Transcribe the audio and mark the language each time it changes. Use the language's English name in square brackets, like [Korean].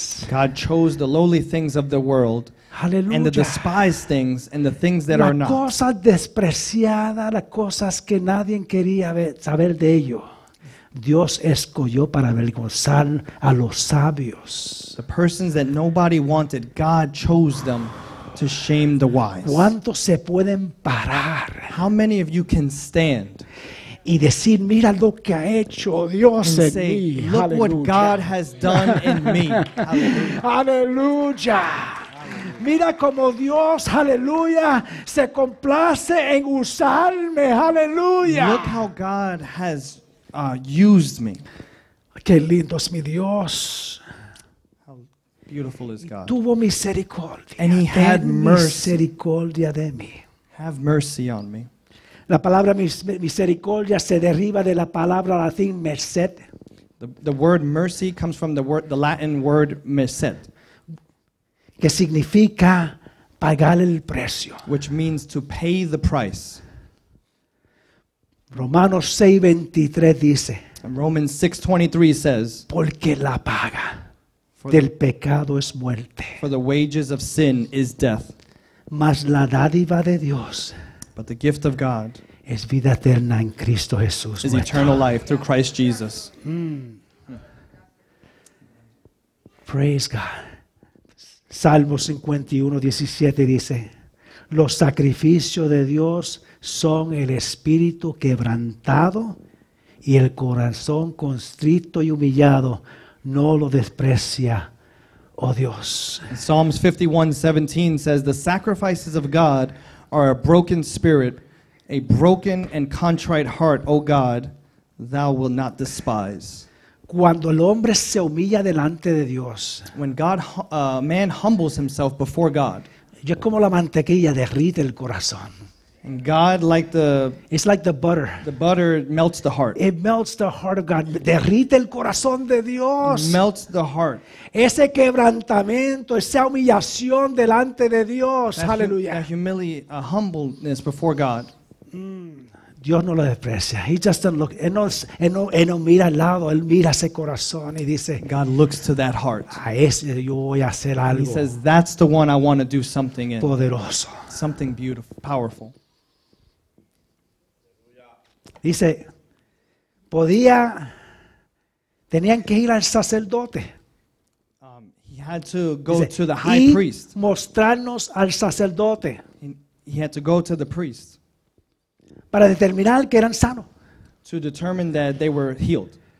[English] God chose the lowly things of the world, [Spanish] aleluya. [English] And the despised things and the things that [Spanish] la [English] are not. [Spanish] Cosa despreciada, las cosas que nadie quería saber de ello. Dios escogió para avergonzar a los sabios. [English] The persons that nobody wanted, God chose them to shame the wise. [Spanish] ¿Cuántos se pueden parar? [English] How many of you can stand? [Spanish] Y decir, mira lo que ha hecho Dios [English] and [Spanish] en [English] say, [Spanish] mí. [English] Look hallelujah. What God has done in me. [Spanish] Aleluya. Mira como Dios, aleluya, se complace en usarme. Aleluya. [English] Look how God has used me. [Spanish] Qué lindo es mi Dios. [English] How beautiful is God. [Spanish] Tuvo misericordia. [English] And he had mercy. [Spanish] Misericordia de mí. [English] Have mercy on me. [Spanish] La palabra misericordia se deriva de la palabra latín merced. [English] The word mercy comes from the Latin word merced. [Spanish] Que significa pagar el precio. [English] Which means to pay the price. [Spanish] Romanos 6:23 dice. [English] And Romans 6:23 says. [Spanish] Porque la paga del pecado es muerte. [English] For the wages of sin is death. [Spanish] Mas la dádiva de Dios. [English] But the gift of God [Spanish] es vida eterna en Cristo Jesús [English] is eternal life through Christ Jesus. Praise God. [Spanish] Salmo 51, 17 dice: los sacrificios de Dios son el espíritu quebrantado y el corazón constrito y humillado, no lo desprecia, oh Dios. [English] Psalms 51:17 says, the sacrifices of God are a broken spirit, a broken and contrite heart, oh God, thou will not despise. [Spanish] Cuando el hombre se humilla delante de Dios, [English] when God, man humbles himself before God, [Spanish] yo como la mantequilla derrite el corazón. [English] And God, like the, it's like the butter. The butter melts the heart. It melts the heart of God. [Spanish] Derrite el corazón de Dios. [English] It melts the heart. [Spanish] Ese quebrantamiento, esa humillación delante de Dios. [English] That hallelujah. That humility, a humbleness before God. [Spanish] Dios no lo desprecia. [English] He just doesn't look. [Spanish] Él no mira al lado. Él mira ese corazón y dice. [English] God looks to that heart. [Spanish] A ese yo voy a hacer algo. [English] He says, that's the one I want to do something in. [Spanish] Poderoso. [English] Something beautiful, powerful. [Spanish] Dice, podía, tenían que ir al sacerdote. [English] He had to go dice, to the high priest. [Spanish] Mostrarnos al sacerdote. [English] He had to go to the priest. [Spanish] Para determinar que eran sanos. [English] To determine that they were healed.